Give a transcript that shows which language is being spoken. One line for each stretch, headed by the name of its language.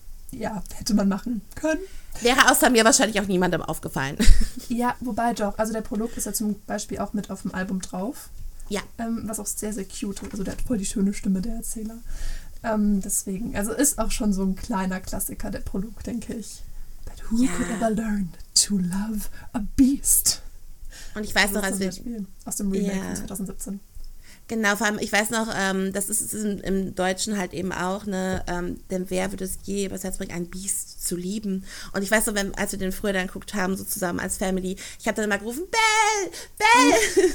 German: Ja, hätte man machen können. Wäre außer mir wahrscheinlich auch niemandem aufgefallen. Ja, wobei doch. Also der Prolog ist ja zum Beispiel auch mit auf dem Album drauf. Ja. Was auch sehr, sehr cute. Also der hat voll die schöne Stimme, der Erzähler. Deswegen, also ist auch schon so ein kleiner Klassiker, der Prolog, denke ich.
English: But who could ever learn to love a beast?
German: Und ich weiß noch, als wir... Aus dem Remake von 2017. Genau, vor allem, ich weiß noch, das ist im Deutschen halt eben auch, ne, denn wer würde es je übers Herz bringen, ein Biest zu lieben? Und ich weiß noch, als wir den früher dann geguckt haben, so zusammen als Family, ich habe dann immer gerufen, Bell!